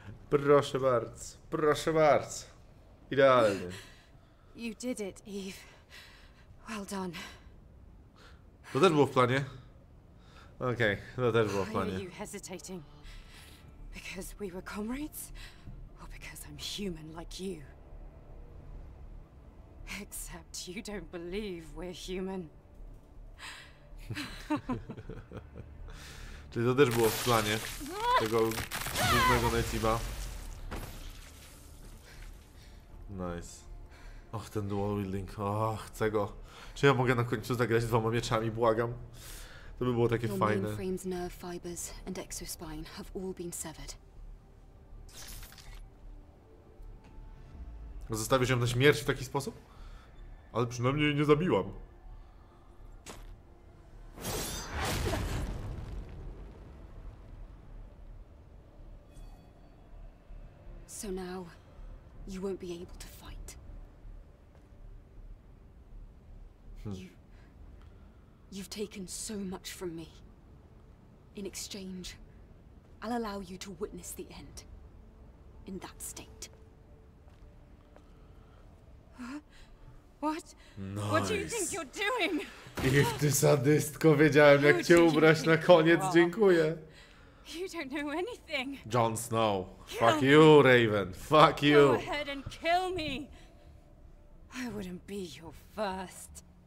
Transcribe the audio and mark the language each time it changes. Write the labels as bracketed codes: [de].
[pl] Proszę bardzo, proszę bardzo. Idealnie. [en] You did it, Eve. Well done. [pl] To też było w planie. Okej, to też było w planie. [en] Because we were comrades, or because I'm human like you. Except you don't believe we're human. [pl] Czyli to też było w planie tego głównego Netiba. Nice. Och, ten dual wielding. Och, chcę go. Czy ja mogę na końcu zagrać dwoma mieczami, błagam? To by było takie fajne. [en] Your mainframe's nerve fibers and exospine have all been severed. [pl] Zostawisz ją na śmierć w taki sposób? Ale przynajmniej jej nie zabiłam. [en] So now you won't be able to fight. You've taken so much from me. In exchange, I'll allow you to witness the end. In that state. What? Nice. What do you think you're doing? [pl] Ich, ty sadystko, wiedziałem, jak cię ubrać na koniec, dziękuję. [en] You don't know anything. Jon Snow. Fuck you, Raven. Fuck you. Go ahead and kill me. I wouldn't be your first.